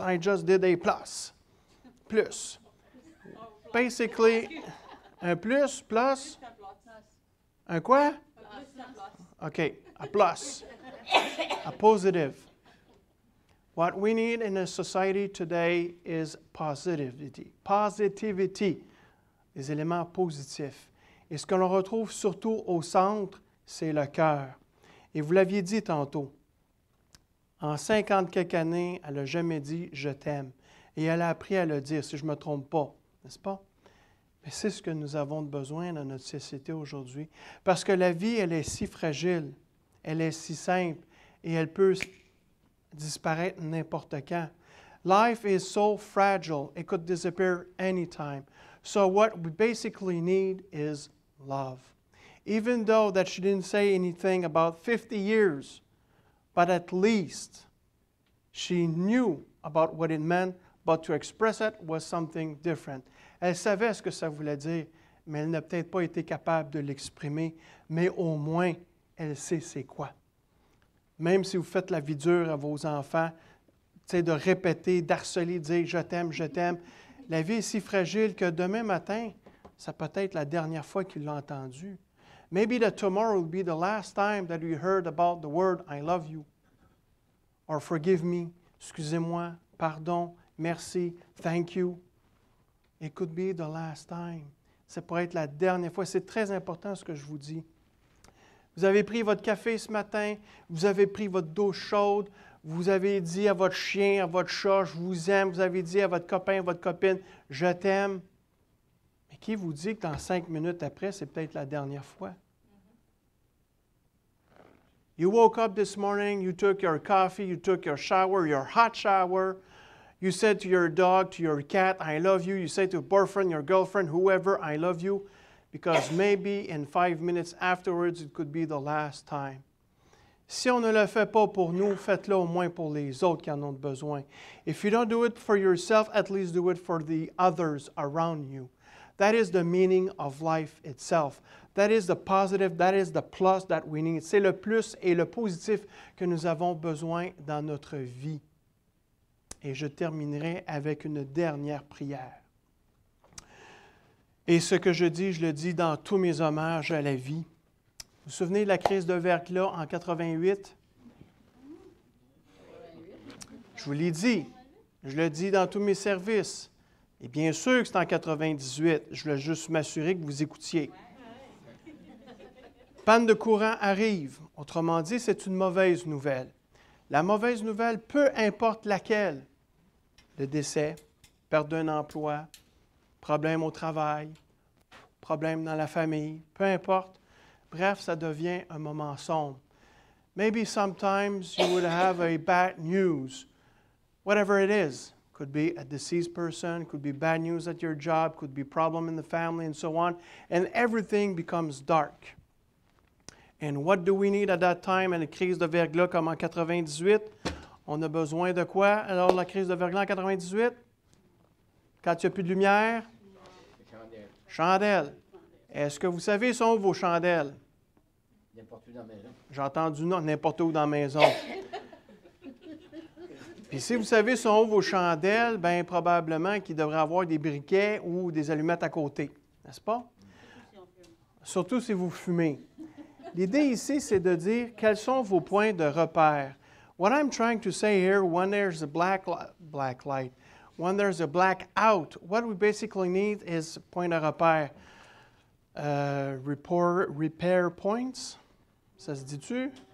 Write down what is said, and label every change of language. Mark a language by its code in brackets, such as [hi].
[en] I just did a plus. Plus. Basically, [fr] un plus, plus. Un quoi? [en] Okay, a plus. A positive. What we need in a society today is positivity. [fr] Positivity. Des éléments positifs. Et ce que l'on retrouve surtout au centre, c'est le cœur. Et vous l'aviez dit tantôt, en 50 quelques années, elle n'a jamais dit « je t'aime ». Et elle a appris à le dire, si je ne me trompe pas, n'est-ce pas? Mais c'est ce que nous avons besoin dans notre société aujourd'hui. Parce que la vie, elle est si fragile, elle est si simple, et elle peut disparaître n'importe quand. [en] Life is so fragile, it could disappear anytime. So what we basically need is love. Even though that she didn't say anything about 50 years, but at least she knew about what it meant, but to express it was something different. [fr] Elle savait ce que ça voulait dire, mais elle n'a peut-être pas été capable de l'exprimer, mais au moins, elle sait c'est quoi. Même si vous faites la vie dure à vos enfants, c'est de répéter, d'harceler, de dire « je t'aime, je t'aime », la vie est si fragile que demain matin, ça peut être la dernière fois qu'il l'a entendu. [en] Maybe that tomorrow will be the last time that you heard about the word I love you. Or forgive me, [fr] excusez-moi, pardon, merci, [en] thank you. It could be the last time. [fr] Ça pourrait être la dernière fois. C'est très important ce que je vous dis. Vous avez pris votre café ce matin, vous avez pris votre douche chaude. Vous avez dit à votre chien, à votre chat, « je vous aime ». Vous avez dit à votre copain, à votre copine, « je t'aime ». Mais qui vous dit que dans 5 minutes après, c'est peut-être la dernière fois? Mm-hmm. [en] You woke up this morning, you took your coffee, you took your shower, your hot shower. You said to your dog, to your cat, « I love you ». You said to your boyfriend, your girlfriend, whoever, « I love you ». Because maybe in 5 minutes afterwards, it could be the last time. [fr] Si on ne le fait pas pour nous, faites-le au moins pour les autres qui en ont besoin. [en] If you don't do it for yourself, at least do it for the others around you. That is the meaning of life itself. That is the positive, that is the plus that we need. [fr] C'est le plus et le positif que nous avons besoin dans notre vie. Et je terminerai avec une dernière prière. Et ce que je le dis dans tous mes hommages à la vie. Vous vous souvenez de la crise de verglas en 88? Je vous l'ai dit. Je le dis dans tous mes services. Et bien sûr que c'est en 98. Je voulais juste m'assurer que vous écoutiez. Panne de courant arrive. Autrement dit, c'est une mauvaise nouvelle. La mauvaise nouvelle, peu importe laquelle. Le décès, perte d'un emploi, problème au travail, problème dans la famille, peu importe. Bref, ça devient un moment sombre. [en] Maybe sometimes you would have a bad news. Whatever it is, could be a deceased person, could be bad news at your job, could be problem in the family, and so on. And everything becomes dark. And what do we need at that time in a [fr] crise de verglas comme en 98? On a besoin de quoi? Alors, la crise de verglas en 98? Quand il n'y a plus de lumière? Chandelle. Est-ce que vous savez où sont vos chandelles? N'importe où dans la maison. J'ai entendu non, n'importe où dans la maison. Puis si vous savez sur vos chandelles, bien probablement qu'il devrait avoir des briquets ou des allumettes à côté, n'est-ce pas? Surtout si vous fumez. L'idée ici, c'est de dire quels sont vos points de repère. [en] What I'm trying to say here, when there's a black light, when there's a black out, what we basically need is [fr] point de repère. [en] Repair points, [fr] ça se dit-tu?